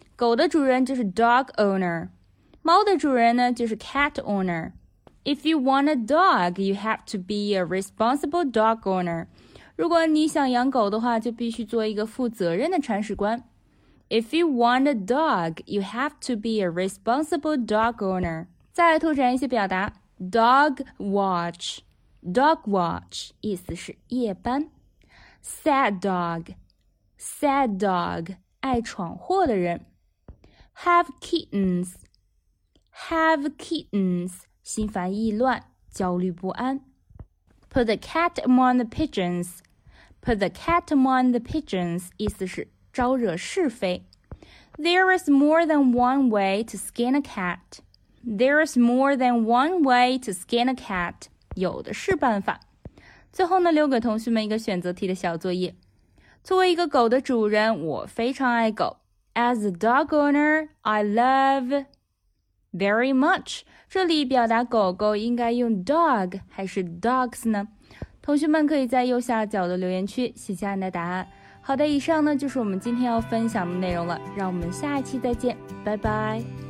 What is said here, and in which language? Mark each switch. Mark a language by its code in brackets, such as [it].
[zh] 狗的主人就是 dog owner， 猫的主人呢就是 cat owner。 [en] If you want a dog, you have to be a responsible dog owner. [zh] 如果你想养狗的话，就必须做一个负责任的铲屎官。 [en] If you want a dog, you have to be a responsible dog owner. [zh] 再拓展一些表达， [en] dog watch. Dog watch [zh] 意思是夜班。 [en] Sad dog. sad dog, [zh] 爱闯祸的人。 [en] Have kittens, [zh] 心烦意乱，焦虑不安。 [en] Put the cat among the pigeons, [zh] 意思是招惹是非。 [en] There is more than one way to skin a cat, [zh] 有的是办法。最后呢，留给同学们一个选择题的小作业。作为一个狗的主人，我非常爱狗。 [en] As a dog owner, I love very much. [zh] 这里表达狗狗应该用 dog 还是 dogs 呢？同学们可以在右下角的留言区写下你的答案。好的，以上呢就是我们今天要分享的内容了。让我们下一期再见，拜拜。